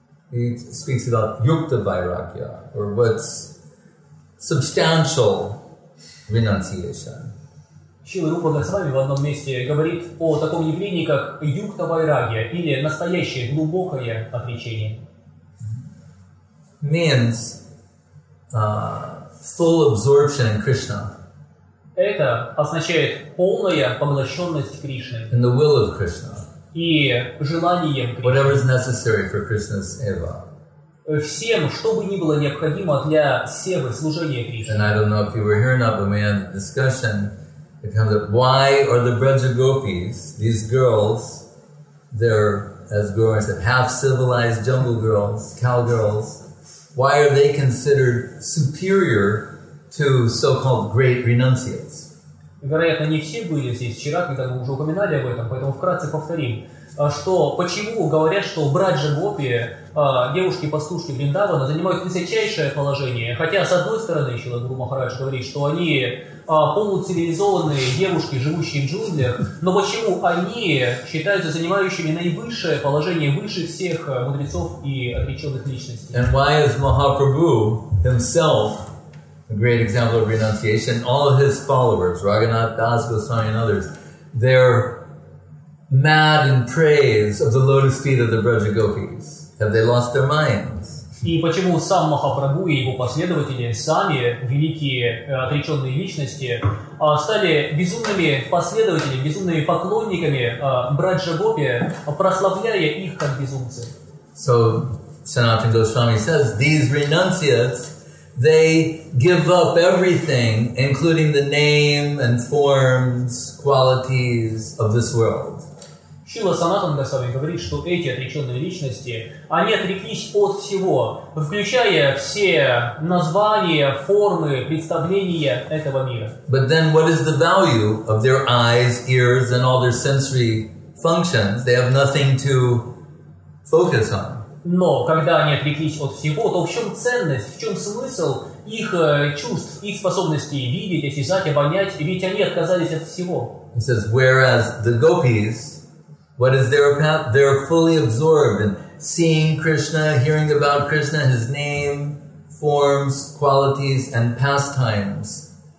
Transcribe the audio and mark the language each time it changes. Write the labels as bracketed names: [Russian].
[English] He speaks about Yukta Vairagya, or what's substantial renunciation. [Russian] Шрила Рупа Госвами в одном месте говорит о таком явлении, как Юкта Вайрагья, или настоящее глубокое отречение. [English] Means full absorption in Krishna. [Russian] Это означает полная поглощенность Кришны. [English] In the will of Krishna. [Russian] И желанием Кришны. [English] Whatever is necessary for Krishna's eva. [Russian] Всем, что бы ни было необходимо для севы, служения Кришны. [English] And I don't know if you were here or not, but we had a discussion. It comes up, why are the Brajagopis, these girls, they're, as Gaurav said, half-civilized jungle girls, cowgirls, why are they considered superior to so-called great renunciates? [Russian] Вероятно, не все были здесь вчера, когда мы уже упоминали об этом, поэтому вкратце повторим, что почему говорят, что Брадж-Гопи, девушки-пастушки Вриндавана, занимают высочайшее положение, хотя, с одной стороны, Шрила Гуру Махарадж говорит, что они полуцивилизованные девушки, живущие в джунглях, но почему они считаются занимающими наивысшее положение, выше всех мудрецов и отреченных личностей? [English] And why is Mahaprabhu himself a great example of renunciation? All of his followers, Raghunath Das Goswami and others, they're mad in praise of the lotus feet of the Braja Gopis. Have they lost their minds? [Russian] И почему сам Махапрабху и его последователи, сами великие отреченные личности, стали безумными последователями, безумными поклонниками Браджа Гопи, прославляя их как безумцы? [English] So, Sanatana Goswami says, these renunciates, they give up everything, including the name and forms, qualities of this world. [Russian] Шрила Санатана Госвами говорит, что эти отреченные личности, они отреклись от всего, включая все названия, формы, представления этого мира. [English] But then what is the value of their eyes, ears, and all their sensory functions? They have nothing to focus on. [Russian] Но когда они отреклись от всего, то в чем ценность, в чем смысл их чувств, их способностей видеть, осязать, обонять? Ведь они отказались от всего. [English] He says, whereas the gopis, what is their path? They're fully absorbed in seeing Krishna, hearing about Krishna, his name, forms, qualities, and pastimes.